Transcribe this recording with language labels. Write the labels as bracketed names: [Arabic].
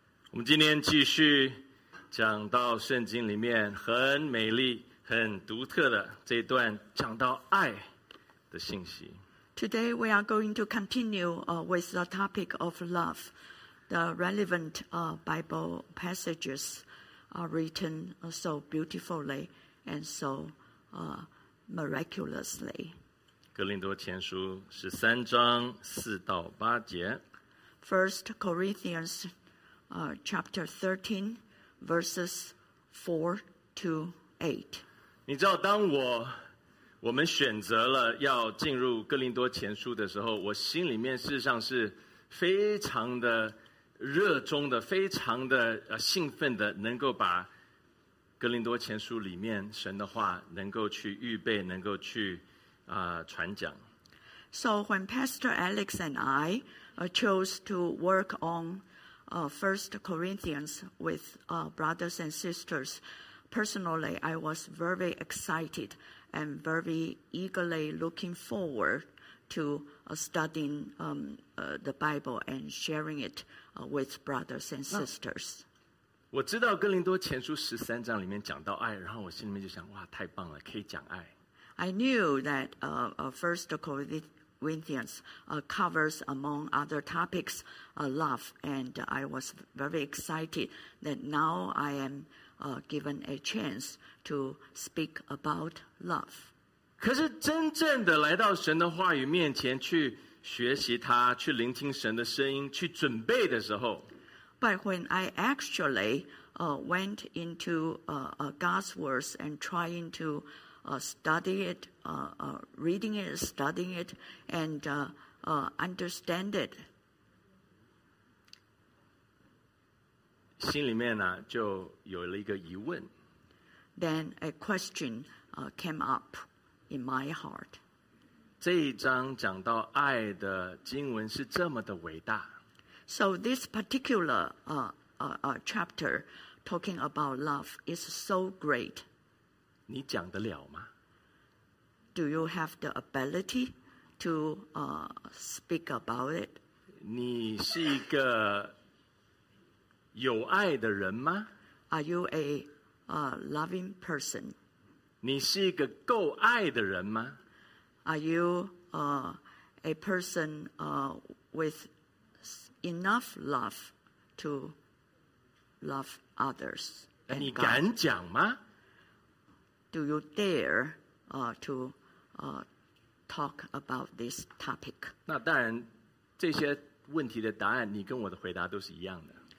[Chinese] 我们今天继续讲到圣经里面很美丽、很独特的这一段讲到爱的信息。 [English] Today we are going to continue with the topic of love, the relevant Bible passages are written so beautifully and so miraculously. [Chinese] 格林多前书十三章四到八节。 [English] First Corinthians chapter 13, verses 4 to 8. [Chinese] 你知道当我们选择了要进入哥林多前书的时候，我心里面事实上是非常的热衷的，非常的兴奋的，能够把哥林多前书里面神的话能够去预备，能够去传讲。 [English] So when Pastor Alex and I chose to work on First Corinthians with brothers and sisters, personally, I was very excited. And very eagerly looking forward to studying the Bible and sharing it with brothers and sisters. [Chinese] 我知道哥林多前书十三章里面讲到爱，然后我心里面就想，哇，太棒了，可以讲爱。 [English] I knew that First Corinthians covers, among other topics, love, and I was very excited that now I am. Given a chance to speak about love. [Chinese] 可是真正的来到神的话语面前去学习他，去聆听神的声音，去准备的时候。 [English] But when I actually went into God's words and trying to study it, reading it, studying it, and understand it. [Chinese] 心里面呢、啊、就有了一个疑问。 [English] Then a question came up in my heart. [Chinese] 这一章讲到爱的经文是这么的伟大。 [English] So this particular chapter talking about love is so great. [Chinese] 你讲得了吗？ [English] Do you have the ability to speak about it? [Chinese] 你是一个有爱的人吗？ [English] Are you a loving person? [Chinese] 你是一个够爱的人吗？ [English] Are you a person with enough love to love others? [Chinese] 你敢讲吗？ [English] Do you dare to talk about this topic? [Chinese] 那当然，这些问题的答案，你跟我的回答都是一样的。